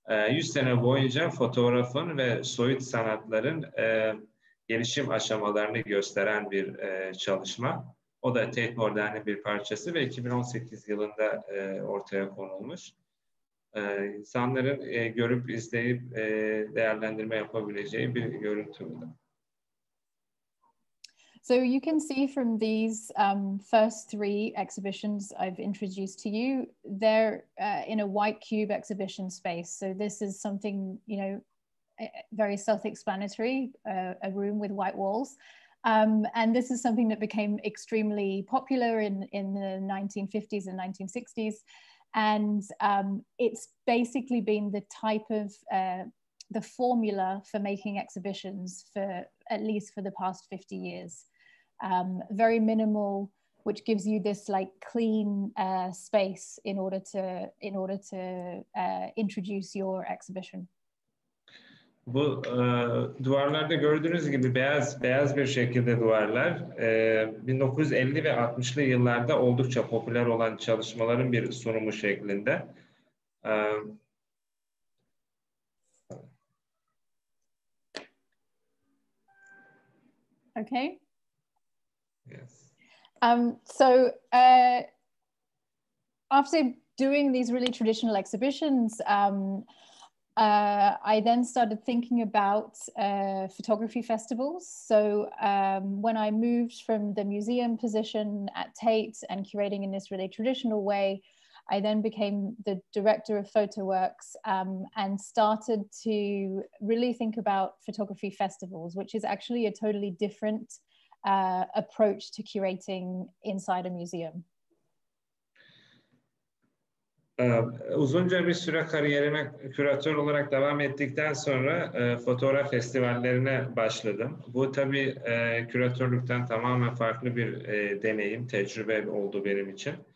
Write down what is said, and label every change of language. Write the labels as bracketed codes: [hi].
[tr] 100 sene boyunca fotoğrafın ve soyut sanatların gelişim aşamalarını gösteren bir çalışma. O da Tate Modern'in bir parçası ve 2018 yılında ortaya konulmuş. İnsanların görüp izleyip değerlendirme yapabileceği bir görüntü burada. [en] So you can see from these first three exhibitions I've introduced to you, they're in a white cube exhibition space. So this is something, you know, very self-explanatory, a room with white walls. And this is something that became extremely popular in the 1950s and 1960s. And it's basically been the type of the formula for making exhibitions for at least for the past 50 years. Very minimal, which gives you this like clean space in order to introduce your exhibition. [tr] Bu duvarlarda gördüğünüz gibi beyaz bir şekilde duvarlar 1950 ve 60'lı yıllarda oldukça popüler olan çalışmaların bir sunumu şeklinde. Okay. Yes. [en] After doing these really traditional exhibitions, I then started thinking about photography festivals. So when I moved from the museum position at Tate and curating in this really traditional way, I then became the director of Photoworks and started to really think about photography festivals, which is actually a totally different approach to curating inside a museum. [tr] Uzunca bir süre kariyerime küratör olarak devam ettikten sonra fotoğraf festivallerine başladım. Bu tabii küratörlükten tamamen farklı bir deneyim, tecrübe oldu benim için.